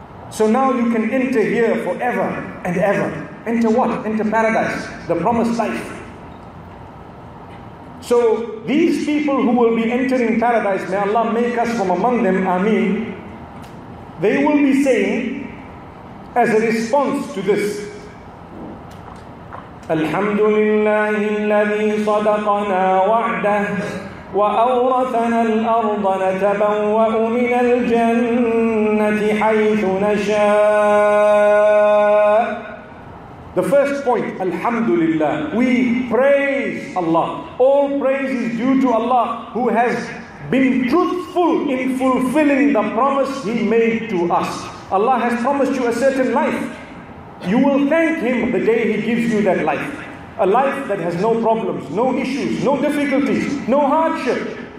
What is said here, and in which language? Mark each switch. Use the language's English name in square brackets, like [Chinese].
[English] So now you can enter here forever and ever. Enter what? Enter paradise, the promised life. So these people who will be entering paradise, may Allah make us from among them, Ameen. They will be saying, as a response to this, [Arabic] الحمد لله الذي صدقنا وعده وأورثنا الأرض نتبوأ من الجنة حيث نشاء. [English] The first point, Alhamdulillah. We praise Allah. All praise is due to Allah who has been truthful in fulfilling the promise He made to us. Allah has promised you a certain life. You will thank Him the day He gives you that life. A life that has no problems, no issues, no difficulties, no hardship.